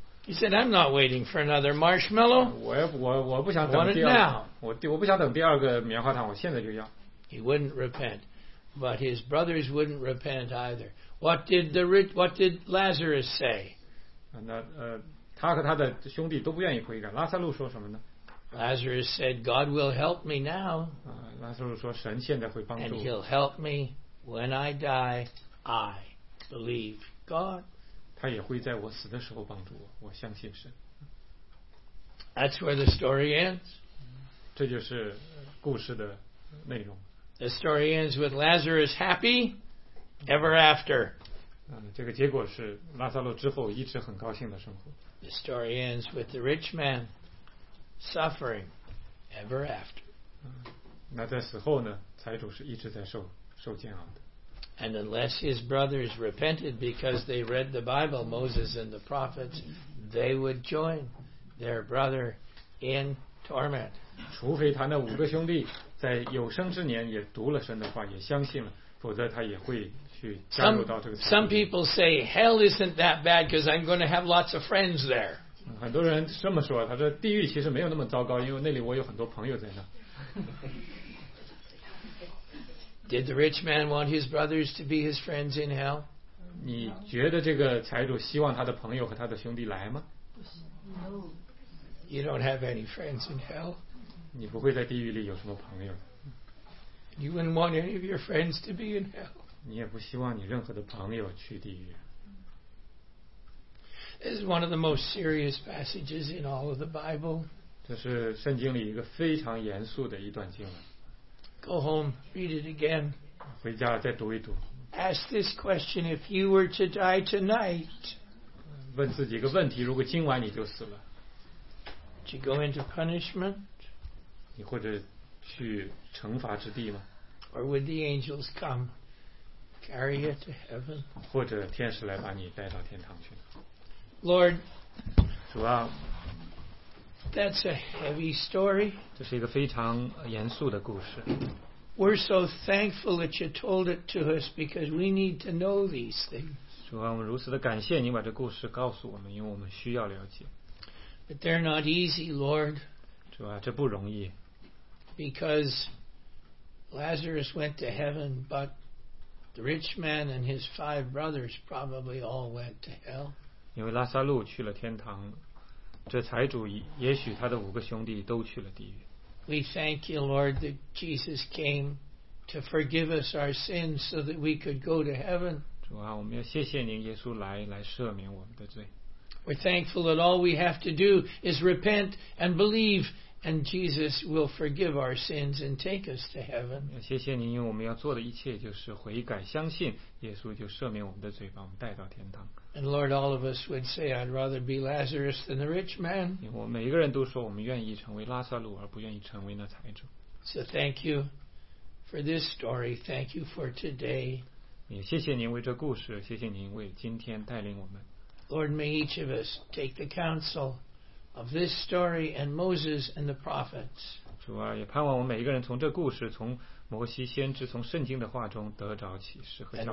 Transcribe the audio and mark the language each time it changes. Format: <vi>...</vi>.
<en>He said, "I'm not waiting for another marshmallow."</en> <zh>我不想等第二。我不想等第二个棉花糖，我现在就要。</zh> <en>He wouldn't repent, but his brothers wouldn't repent either. What did the rich, what did Lazarus say?</en> <zh>那他和他的兄弟都不愿意悔改。拉撒路说什么呢？</zh> <en>Lazarus said, "God will help me now."</en> <zh>拉撒路说神现在会帮助。</zh> <en>And he'll help me when I die. I believe God.</en> <zh>他也会在我死的时候帮助我，我相信神。</zh> <en>That's where the story ends.</en> <zh>这就是故事的内容。</zh> <en>The story ends with Lazarus happy ever after.</en> <zh>这个结果是拉撒路之后一直很高兴的生活。</zh> <en>The story ends with the rich man suffering ever after.</en> <zh>那在死后呢，财主是一直在受煎熬的。</zh> <en>And unless his brothers repented because they read the Bible, Moses and the prophets, they would join their brother in torment.</en> <zh>除非他那五个兄弟在有生之年也读了神的话，也相信了，否则他也会去加入到这个。</zh> <en>Some people say hell isn't that bad because I'm going to have lots of friends there.</en> <zh>很多人这么说，他说地狱其实没有那么糟糕，因为那里我有很多朋友在那。</zh> <en>Did the rich man want his brothers to be his friends in hell?</en> <zh>你觉得这个财主希望他的朋友和他的兄弟来吗？</zh> <en>No. You don't have any friends in hell.</en> <zh>你不会在地狱里有什么朋友。</zh> <en>You wouldn't want any of your friends to be in hell.</en> <zh>你也不希望你任何的朋友去地狱。</zh> <en>This is one of the most serious passages in all of the Bible.</en> <zh>这是圣经里一个非常严肃的一段经文。</zh> <en>Go home, read it again.</en> <zh>回家再读一读。</zh> <en>Ask this question: If you were to die tonight,</en> <zh>问自己一个问题：如果今晚你就死了</zh> <en>，Would you go into punishment?</en> <zh>你或者去惩罚之地吗</zh> <en>？Or would the angels come carry you to heaven?</en> <zh>或者天使来把你带到天堂去</zh> <en>？Lord，</en> <zh>主啊</zh> <en>，That's a heavy story.</en> <zh>这是一个非常严肃的故事。</zh> <en>We're so thankful that you told it to us because we need to know these things.</en> <zh>主啊，我们如此的感谢你把这故事告诉我们，因为我们需要了解。</zh> <en>But they're not easy, Lord.</en> <zh>主啊，这不容易。</zh> <en>Because Lazarus went to heaven, but the rich man and his five brothers probably all went to hell.</en> <zh>因为拉撒路去了天堂。这财主也许他的五个兄弟都去了地狱。</zh> <en>We thank you, Lord, that Jesus came to forgive us our sins so that we could go to heaven.</en> <zh>主啊，我们要谢谢您，耶稣来赦免我们的罪。</zh> <en>We're thankful that all we have to do is repent and believe, and Jesus will forgive our sins and take us to heaven.</en> <zh>谢谢您，因为我们要做的一切就是悔改，相信耶稣就赦免我们的罪，把我们带到天堂。</zh> <en>And Lord, all of us would say, "I'd rather be Lazarus than the rich man."</en> <zh>我每一个人都说，我们愿意成为拉撒路，而不愿意成为那财主。</zh> <en>So thank you for this story. Thank you for today.</en> <zh>也谢谢您为这故事，谢谢您为今天带领我们。</zh> <en>Lord, may each of us take the counsel of this story and Moses and the prophets.</en> <zh>主啊，也盼望我们每一个人从这故事，从摩西先知，从圣经的话中得着启示和教导。</zh>